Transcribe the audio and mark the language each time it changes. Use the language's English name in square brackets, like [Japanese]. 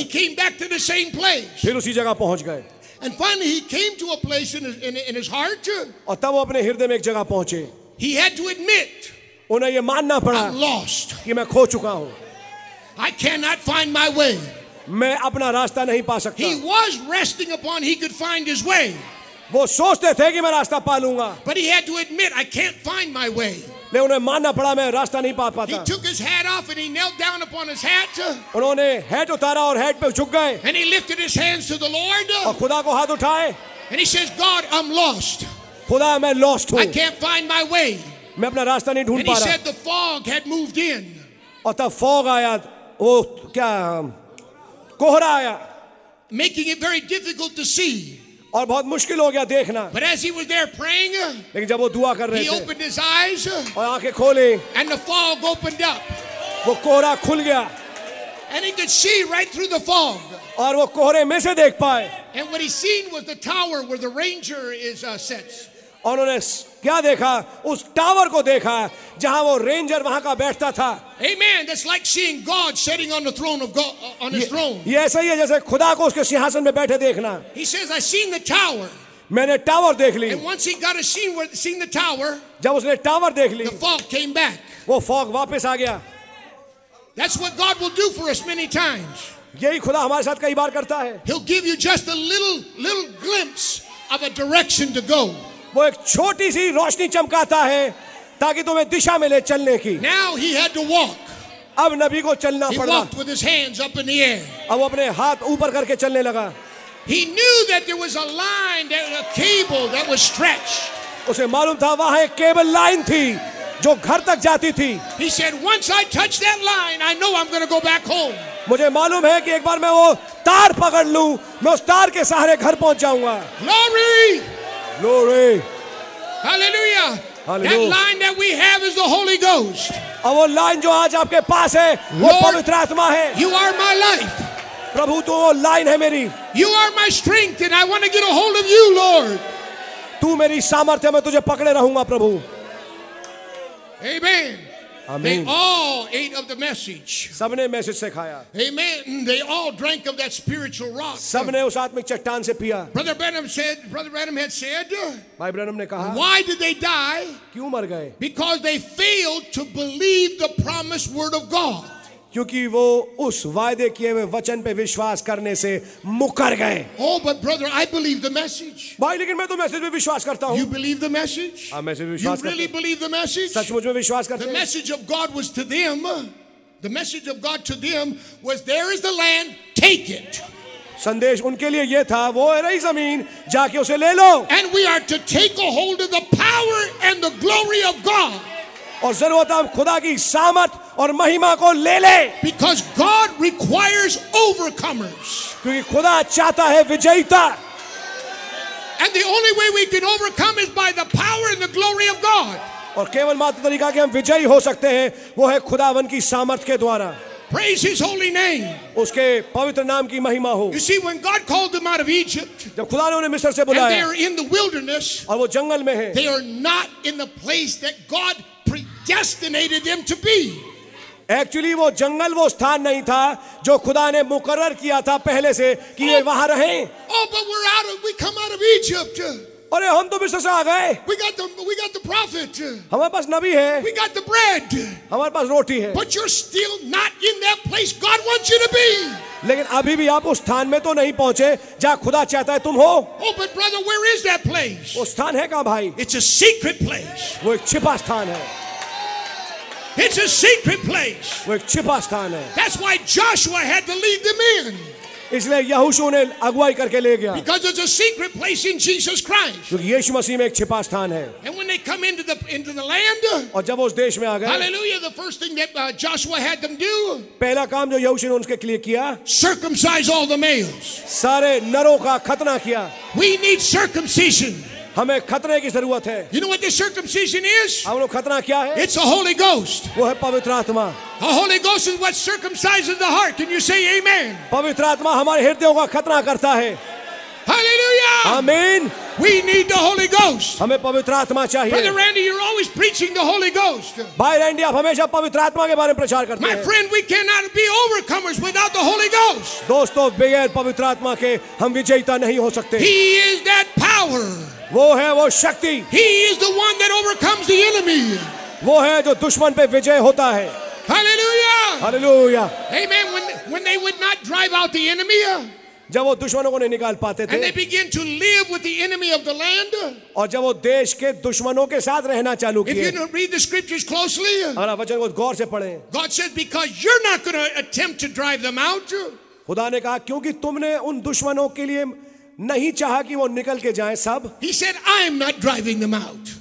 [English] He came back to the same place. [Hindi] फिर उसी जगह पहुंच गए. [English] And finally, he came to a place in his heart. [Hindi] और तब वो अपने हृदय में एक जगह पहुंचे. [English] He had to admit. [Hindi] उन्हें ये मानना पड़ा. [English] I'm lost. [Hindi] कि मैं खो चुका हूँ. [English] I cannot find my way. [Hindi] मैं अपना रास्ता नहीं पा सकता. [English] He was resting upon he could find his way. [Hindi] वो सोचते थे कि मैं रास्ता पा लूंगा. [English] But he had to admit, I can't find my way. [Hindi] ले उन्हें मानना पड़ा मैं रास्ता नहीं पा पाता. [English] He took his hat off and he knelt down upon his hat. [Hindi] उन्होंने हैट उतारा और हैट पे झुक गए. [English] And he lifted his hands to the Lord. [Hindi] और खुदा को हाथ उठाए. [English] And he says, God, I'm lost. [Hindi] खुदा मैं लॉस्ट हूँ. [English] I can't find my way. [Hindi] मैं अपना रास्ता नहीं ढूंढ पा रहा. [English] And he said, the fog had moved in. [Hindi] और तब फॉग आया. वो क्या कोहरा आया. [English] Making it very difficult to see. [Hindi] और बहुत मुश्किल हो गया देखना. [English] But as he was there praying, [Hindi] लेकिन जब वो दुआ कर रहे थे, [English] he opened his eyes, [Hindi] और आंखें खोली, [English] and the fog opened up. [Hindi] वो कोहरा खुल गया. [English] And he could see right through the fog. [Hindi] और वो कोहरे में से देख पाए. [English] And what he seen was the tower where the ranger is sits. [Hindi] और उन्होंने क्या देखा. उस टावर को देखा जहां वो रेंजर वहां का बैठता था. [English] Amen. That's like seeing God sitting on the throne of God on his throne. [Hindi] ये ऐसा ही है जैसे खुदा को उसके सिंहासन में बैठे देखना. [English] He says, I seen the tower. [Hindi] मैंने टावर देख ली. [English] And once he got a seen the tower, [Hindi] जब उसने टावर देख ली, [English] the fog came back. [Hindi] वो फॉग वापस आ गया. [English] That's what God will do for us many times. [Hindi] यही खुदा हमारे साथ कई बार करता है. [English] He'll give you just a little glimpse of a direction to go. [Hindi] वो एक छोटी सी रोशनी चमकाता है ताकि तुम्हें दिशा मिले चलने की. [English] Now he had to walk. [Hindi] अब नबी को चलना पड़ा. [English] He walked with his hands up in the air. [Hindi] अब अपने हाथ ऊपर करके चलने लगा. [English] He knew that there was a line, that a cable that was stretched. [Hindi] उसे मालूम था वहाँ एक केबल लाइन थी जो घर तक जाती थी. [English] He said, once I touch that line, I know I'm going to go back home. [Hindi] मुझे मालूम है कि एक बार मैं वो तार पकड़ लूं, मैं उस तार के सहारे घर पहुंच जाऊंगा. [English] Glory. Glory. Hallelujah. Hallelujah. That line that we have is the Holy Ghost. [Hindi] और वो लाइन जो आज आपके पास है वो पवित्र आत्मा है. [English] You are my life. [Hindi] प्रभु तू वो लाइन है मेरी. [English] You are my strength and I want to get a hold of you, Lord. [Hindi] तू मेरी सामर्थ्य है, मैं तुझे पकड़े रहूंगा प्रभु. [English] Amen. Amen. They all ate of the message. [Hindi] सबने मैसेज से खाया. [English] Amen. They all drank of that spiritual rock. [Hindi] सबने उस आत्मिक चट्टान से पिया. [English] Brother Branham had said. [Hindi] भाई ब्रैनम ने कहा. [English] Why did they die? [Hindi] क्यों मर गए? [English] Because they failed to believe the promised word of God. [Hindi] क्योंकि वो उस वायदे किए हुए वचन पे विश्वास करने से मुकर गए. [English] Oh, but brother, I believe the message. [Hindi] भाई लेकिन मैं तो मैसेज पे विश्वास करता हूँ. [English] You believe the message? [Hindi] हाँ मैसेज पे विश्वास करता हूँ. [English] You really believe the message? [Hindi] सचमुच में विश्वास करते हैं. [English] The message of God was to them. The message of God to them was, there is the land, take it. [Hindi] संदेश उनके लिए ये था, वो है रही ज़मीन, जाके उसे ले लो. [English] And we are to take a hold of the power and the glory of God. [Hindi] और जरूरत है खुदा की सामर्थ और महिमा को ले ले. [English] Because God requires overcomers. [Hindi] क्योंकि खुदा चाहता है विजेता. [English] And the only way we can overcome is by the power and the glory of God. [Hindi] और केवल मात्र तरीका कि हम विजयी हो सकते हैं वो है खुदावन की सामर्थ के द्वारा. [English] Praise His holy name. [Hindi] उसके पवित्र नाम की महिमा हो. [English] You see, when God called them out of Egypt, [Hindi] जब खुदा ने उन्हें मिस्र से बुलाया, [English] and they are in the wilderness, [Hindi] और वो जंगल में हैं, [English] they are not in the place that God predestinated them to be. Actually, [Hindi] वो जंगल वो स्थान नहीं था जो खुदा ने मुकरर किया था पहले से कि ये वहाँ रहें. [English] Oh, but we come out of Egypt. [Hindi] अरे हम तो मिस्र से आ गए. [English] We got the prophet. [Hindi] हमारे पास नबी है. [English] We got the bread. [Hindi] हमारे पास रोटी है. [English] But you're still not in that place God wants you to be. [Hindi] लेकिन अभी भी आप उस स्थान में तो नहीं पहुंचे जहाँ खुदा चाहता है तुम हो. [English] Oh, but brother, where is that place? [Hindi] वो स्थान है कहाँ भाई? [English] It's a secret place. [Hindi] वो एक छिपा स्थान है. [English] It's a secret place. [Hindi] वो एक छिपा स्थान है. [English] That's why Joshua had to lead them in. [Hindi] इसलिए यहोशू ने अगुवाई करके ले गया. [English] Because it's a secret place in Jesus Christ. [Hindi] क्योंकि यीशु मसीह में एक छिपा स्थान है. [English] And when they come into the land, [Hindi] और जब वो उस देश में आ गए, [English] Hallelujah, the first thing that Joshua had them do, [Hindi] पहला काम जो यहोशू ने उनके लिए किया, [English] circumcise all the males. [Hindi] सारे नरों का खतना किया. [English] We need circumcision. [Hindi] हमें खतने की जरूरत है. [English] You know what this circumcision is? [Hindi] हम लोग खतना क्या है? [English] It's a Holy Ghost. [Hindi] वो है पवित्र आत्मा. [English] A Holy Ghost is what circumcises the heart. Can you say Amen? [Hindi] पवित्र आत्मा हमारे हृदयों का खतना करता है. [English] Hallelujah. Amen. We need the Holy Ghost. [Hindi] हमें पवित्र आत्मा चाहिए. [English] Brother Randy, you're always preaching the Holy Ghost. [Hindi] भाई रैंडी आप हमेशा पवित्र आत्मा के बारे में प्रचार करते हैं. [English] My friend, we cannot be overcomers without the Holy Ghost. [Hindi] दोस्तों बगैर पवित्र आत्मा के हम विजेता नहीं हो सकते. [English] He is that power. [Hindi] वो है वो शक्ति. [English] He is the one that overcomes the enemy. [Hindi] वो है जो दुश्मन पे विजय होता है. [English] Hallelujah. Hallelujah. Amen. When they would not drive out the enemy. [Hindi] जब वो दुश्मनों को नहीं निकाल पाते थे, [English] and they begin to live with the enemy of the land, [Hindi] और जब वो देश के दुश्मनों के साथ रहना चालू किए, [English] if you read the scriptures closely, [Hindi] अगर आप वचन को गौर से पढ़ें, [English] God says because you're not going to attempt to drive them out, [Hindi] खुदा ने कहा क्योंकि तुमने उन दुश्मनों के लिए नहीं चाहा कि वो निकल के जाएं सब, [English] he said I am not driving them out,